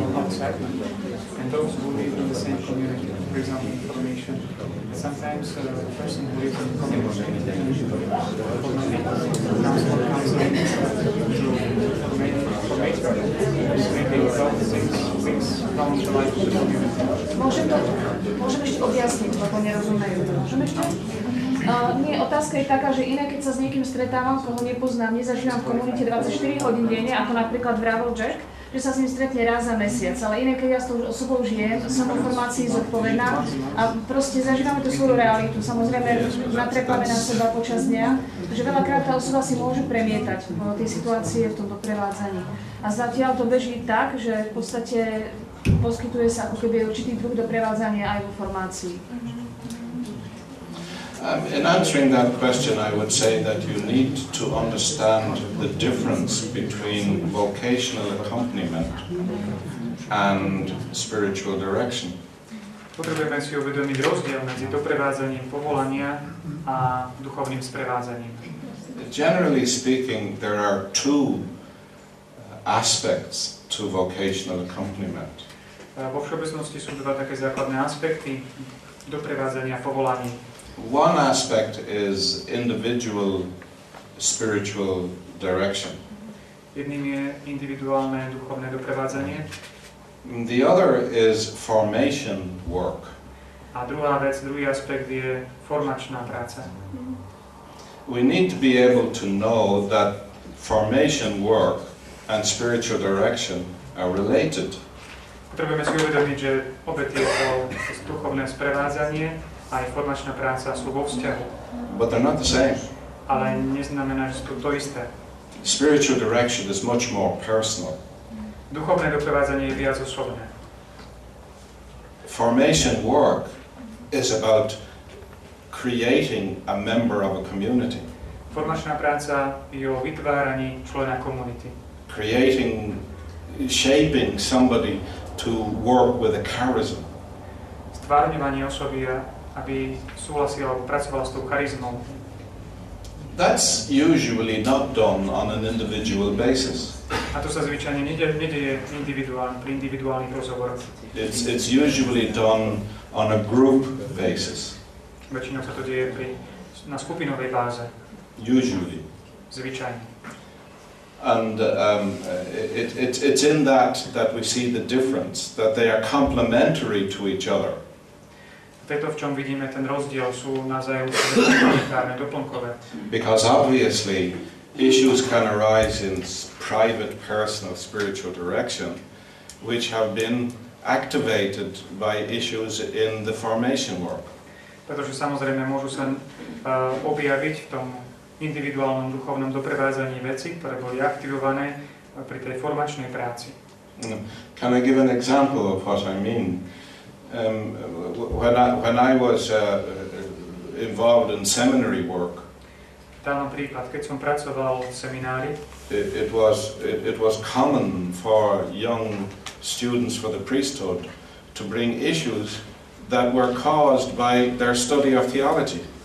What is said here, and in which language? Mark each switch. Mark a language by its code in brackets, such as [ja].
[en] And those who live in the same community, for example, information, sometimes a person who lives in the community and the transport counseling [sk] Nie, otázka je taká, že iné, keď sa s niekým stretávam, koho nepoznám, nezažívam v komunite 24 hodín denne, ako napríklad vravel Jack, že sa s ním stretne raz za mesiac, ale iné, keď ja s tou osobou žijem, som o formácii zodpovedná a proste zažívame tú svoju realitu, samozrejme natrepáme na seba počas dňa, takže veľakrát tá osoba si môže premietať tie situácie v tom doprevádzaní. A zatiaľ to beží tak, že v podstate poskytuje sa ako keby určitý druh doprevádzania aj vo formácii. [en] In answering that question, I would say that you need to understand the difference between vocational accompaniment and spiritual direction. [sk] Potrebujeme si uvedomiť rozdiel medzi doprevádzaním povolania a duchovným sprevádzaním. [en] Generally speaking, there are two aspects to vocational accompaniment. [sk] Vo všeobecnosti sú dva také základné aspekty doprevádzania povolaním. [en] One aspect is individual spiritual direction. [sk] Jedným je individuálne duchovné doprevádzanie. [en] The other is formation work. [sk] A druhá vec, druhý aspekt je formačná práca. [en] We need to be able to know that formation work and spiritual direction are related. [sk] Potrebujeme si uvedomiť, že obe tieto duchovné sprevádzanie aj formačná práca sú vo vzťahu. [en] But they're not the same. [sk] Ale neznamená, že sú to isté. [en] Spiritual direction is much more personal. [sk] Duchovné doprevádzanie je viac osobné. [en] Formation work is about creating a member of a community. [sk] Formačná práca je o vytváraní člena komunity. [en] Creating, shaping somebody to work with a charism. [sk] Stvárňovanie osoby, aby súhlasil alebo pracoval s tou charizmou. [en] That's usually not done on an individual basis. [sk] A to sa zvyčajne nedeje pri individuálnych rozhovoroch. [en] It's usually done on a group basis. [sk] Väčšinou sa to deje na skupinovej báze. [en] Usually. [sk] Zvyčajne. [en] And it's in that we see the difference, that they are complementary to each other. [sk] Preto v čom vidíme ten rozdiel, sú navzájomne doplnkové. [en] Because obviously issues can arise in private, personal, spiritual direction, which have been activated by issues in the formation work. [sk] Pretože samozrejme môžu sa objaviť v tom individuálnom duchovnom doprevádzaní veci, ktoré boli aktivované pri tej formačnej práci. [en] Can I give an example of what I mean? When I was involved in seminary work, [sk] dám príklad, keď som pracoval v seminári, [en] it was common for young students for the priesthood to bring issues that were caused by their study of theology.